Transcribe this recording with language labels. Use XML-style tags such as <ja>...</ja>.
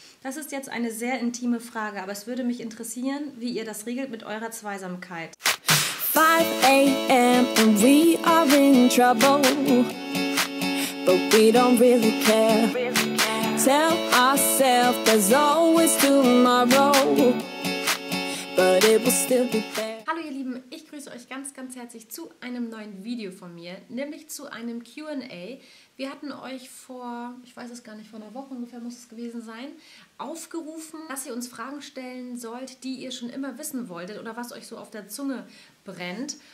<de>Das ist jetzt eine sehr intime Frage, aber es würde mich interessieren, wie ihr das regelt mit eurer Zweisamkeit.</de> <en>5 a.m. and we are in trouble, but we don't really care. Tell ourselves there's always tomorrow, but it will still be there.</en> <de>Hallo ihr Lieben, ich grüße euch ganz, ganz herzlich zu einem neuen Video von mir, nämlich zu einem Q&A. Wir hatten euch vor, ich weiß es gar nicht, vor einer Woche ungefähr muss es gewesen sein, aufgerufen, dass ihr uns Fragen stellen sollt, die ihr schon immer wissen wolltet oder was euch so auf der Zunge brennt.</de>